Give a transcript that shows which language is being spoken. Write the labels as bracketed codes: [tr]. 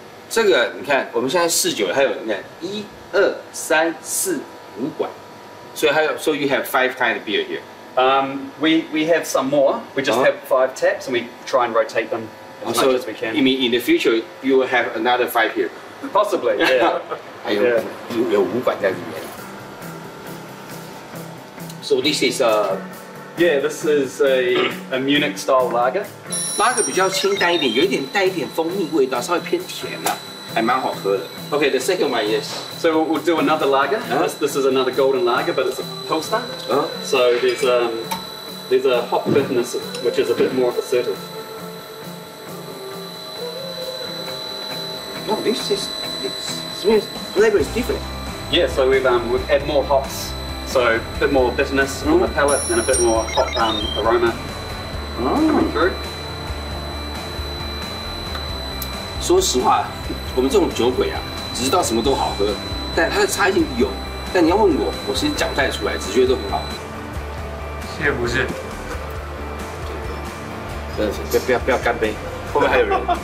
[zh] 这个你看，我们现在试酒，还有你看，一二三四五管。 [en] So you have five kind of beer here. We have some more. We just have five taps, and we try and rotate them as much as we can. You mean in the future you will have another five here? Possibly. Yeah. [zh] 还有有五百在里面。 [en] So this is a. Yeah, this is a Munich style lager. [zh] Lager 比较清淡一点，有一点带一点蜂蜜味道，稍微偏甜了。还蛮好喝的。 [en] Okay, the second one, yes. So we'll do another lager. This is another golden lager, but it's a Pilsner. So there's a hop bitterness, which is a bit more assertive. No, this flavor is different. Yeah, so we've added more hops, so a bit more bitterness on the palate and a bit more hop aroma coming through. [zh] 说实话，我们这种酒鬼啊，只知道什么都好喝，但它的差异有。但你要问我，我其实讲不太出来，只觉得都很好喝。谢不是，真的是，不要干杯，后面还有人。